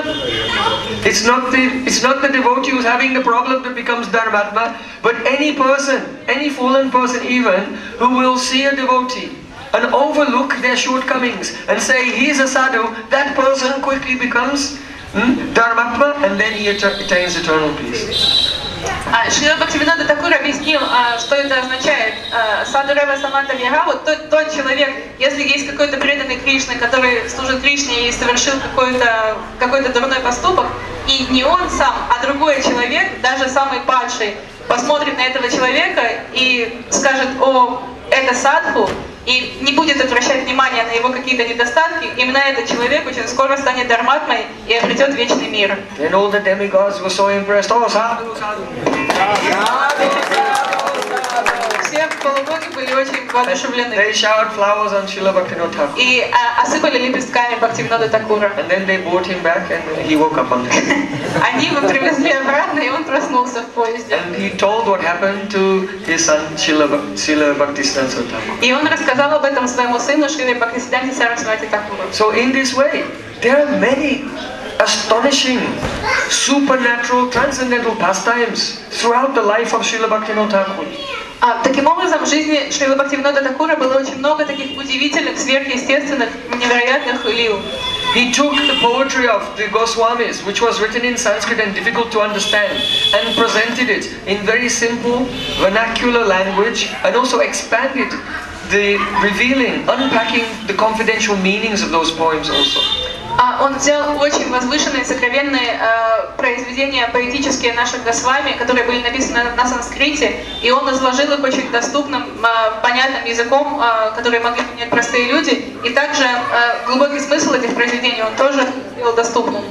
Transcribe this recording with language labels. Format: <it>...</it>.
<en>It's not the devotee who's having the problem that becomes dharmatma, but any person, any fallen person even, who will see a devotee and overlook their shortcomings and say he is a sadhu, that person quickly becomes dharmatma and then he attains eternal peace.</en> <ru>Шрила Бхактивинода Такур объяснил, что это означает. Саду Рева Саманта Вьяга, вот тот человек, если есть какой-то преданный Кришне, который служит Кришне и совершил какой-то дурной поступок, и не он сам, а другой человек, даже самый падший, посмотрит на этого человека и скажет, о, это садху, и не будет обращать внимания на его какие-то недостатки, именно этот человек очень скоро станет дарматмой и обретет вечный мир.</ru> <en>Then all the demigods were so impressed. Oh, sadhu, sadhu.</en> <ru>Все полубоги были очень воодушевлены.</ru> <en>They showered flowers on Srila Bhaktivinoda Thakura.</en> <ru>И осыпали лепестками Бхактивинода Такура.</ru> <en>And then they brought him back and he woke up on the</en> <ru>Они его привезли обратно, и он проснулся в поезде.</ru> <en>And he told what happened to his son, Srila Bhaktisiddhanta Thakura.</en> <ru>И он рассказал об этом своему сыну, Шриле Бхактисиддханте Сарасвати Такура.</ru> <en>So in this way, there are many astonishing, supernatural, transcendental pastimes throughout the life of Srila Bhaktivinoda Thakura.</en> <ru>Таким образом, в жизни Шрилы Бхактивинода Такура было очень много таких удивительных, сверхъестественных, невероятных лил.</ru> <en>He took the poetry of the Goswamis, which was written in Sanskrit and difficult to understand, and presented it in very simple vernacular language, and also expanded the revealing, unpacking the confidential meanings of those poems also.</en> <ru>Он взял очень возвышенные, сокровенные произведения поэтические наших Госвами, которые были написаны на санскрите, и он изложил их очень доступным, понятным языком, который могли понять простые люди, и также глубокий смысл этих произведений он тоже сделал доступным.</ru>